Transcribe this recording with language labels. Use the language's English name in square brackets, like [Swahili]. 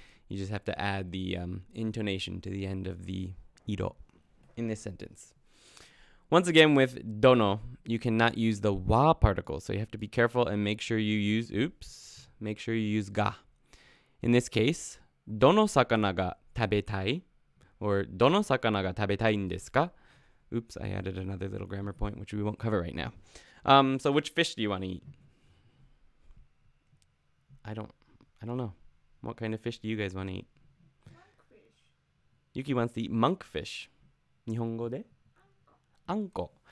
[English] You just have to add the intonation to the end of the 色 in this sentence. Once again, with dono, you cannot use the wa particle. So you have to be careful and make sure you use ga. In this case, [Japanese] どの魚が食べたい? Or どの魚が食べたいんですか? [English] Oops, I added another little grammar point, which we won't cover right now. So which fish do you want to eat? I don't know. What kind of fish do you guys want to eat? Monkfish. Yuki wants to eat monkfish. [Japanese] Nihongo de? Anko.